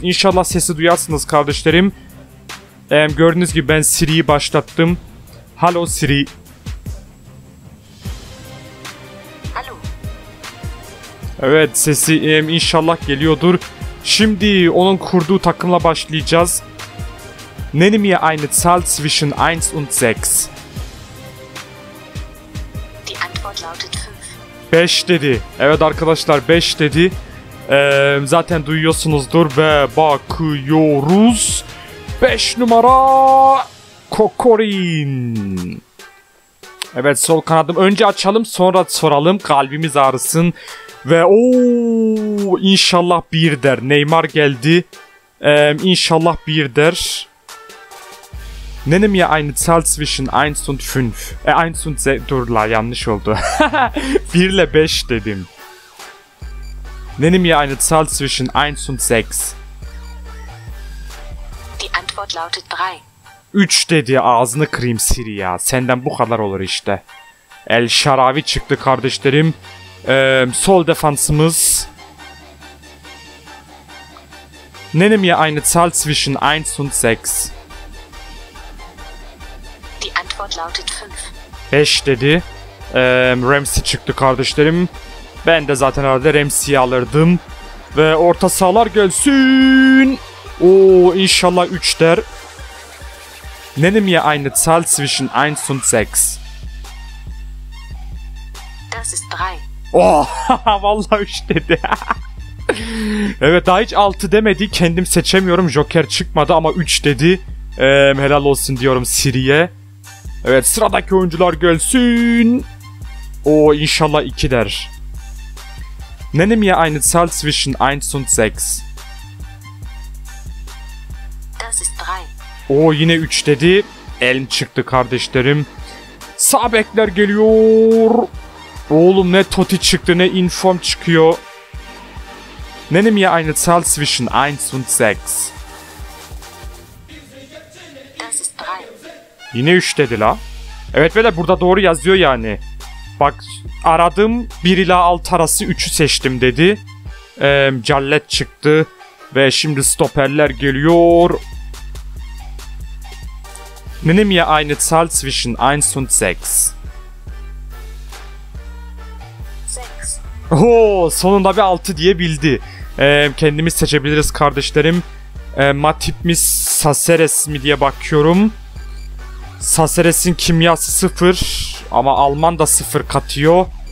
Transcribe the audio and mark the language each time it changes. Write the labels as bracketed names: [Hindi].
[Turkish] İnşallah sesi duyarsınız kardeşlerim. Gördüğünüz gibi ben Siri'yi başlattım. [German] Halo Siri. Halo. [Turkish] Evet, sesi inşallah geliyordur. Şimdi onun kurduğu takımla başlayacağız. [German] Nenne mir eine Zahl zwischen 1 und 6. Die Antwort lautet 5. [Turkish] 5 dedi. Evet arkadaşlar, 5 dedi. Zaten duyuyorsunuzdur ve bakıyoruz. 5 numara Kokorin. Evet, sol kanadım. Önce açalım sonra soralım, kalbimiz ağrısın. Ve inşallah bir der. Neymar geldi. İnşallah bir der. [German] Nenne mir eine Zahl zwischen 1 und 5. 1 und 6. [Turkish] Dur la, yanlış oldu. 1 ile 5 dedim. [German] Nenne mir eine Zahl zwischen 1 und 6. Die Antwort lautet 3. [Turkish] 3 dedi. Ağzını kırayım Siri ya. Senden bu kadar olur işte. El Şaravi çıktı kardeşlerim. Sol defansımız. [German] Nenne mir eine Zahl zwischen 1 und 6. Die Antwort lautet 5. [Turkish] 5 dedi. Ramsey çıktı kardeşlerim. Ben de zaten herhalde Ramsey'yi alırdım. Ve orta sahalar gelsin. İnşallah 3 der. [German] Nenne mir eine Zahl zwischen 1 und 6. Das ist 3. [Turkish] Oh, vallahi 3 dedi. Evet, daha hiç 6 demedi. Kendim seçemiyorum. Joker çıkmadı ama 3 dedi. Helal olsun diyorum Siri'ye. Evet, sıradaki oyuncular gelsin. İnşallah 2 der. [German] Nenne mir eine Zahl zwischen 1 und 6. Das ist 3. [Turkish] Yine 3 dedi. Elim çıktı kardeşlerim. Sağ bekler geliyor. Oğlum ne Totti çıktı, ne Inform çıkıyor. [German] Nenne mir eine Zahl zwischen 1 und 6. Das ist 3. [Turkish] Yine 3 dedi la. Evet ve de burada doğru yazıyor yani. Bak, aradım 1 ile 6 arası 3'ü seçtim dedi. Cellet çıktı. Ve şimdi stoperler geliyor. [German] Nenne mir eine Zahl zwischen 1 und 6. 6. [Turkish] Oo, sonunda bir 6 diyebildi. Kendimiz seçebiliriz kardeşlerim. Matip mi, Saceres mi diye bakıyorum. Saceres'in kimyası 0 ama Alman da 0 katıyor.